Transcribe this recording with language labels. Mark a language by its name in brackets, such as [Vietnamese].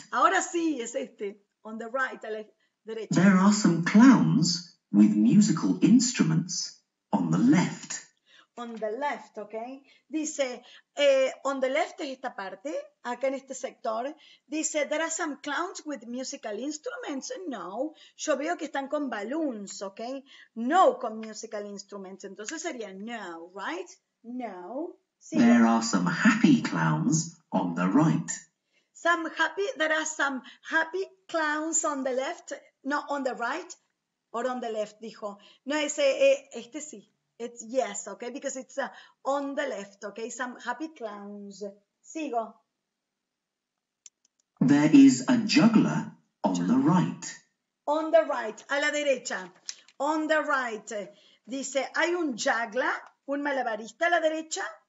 [Spanish] Ahora sí, es este. [English] On the right, [Spanish] a la derecha. [English] There are some clowns with musical instruments on the left. On the left, ¿ok? [Spanish] Dice, [English] on the left [Spanish] es esta parte, acá en este sector. [English] Dice, there are some clowns with musical instruments. [Spanish] No, yo veo que están con balloons, ¿ok? No con [English] musical instruments. [Spanish] Entonces sería no, right? No. Sí. [English] There are some happy clowns on the right. Some happy, there are some happy clowns on the left. No, on the right or on the left, dijo. [Spanish] No, ese, este sí. [English] It's yes, okay, because it's on the left, okay, some happy clowns. Sigo. There is a juggler on the right. On the right, [Spanish] a la derecha. [English] On the right. [Spanish] Dice, ¿hay un juggler, un malabarista a la derecha?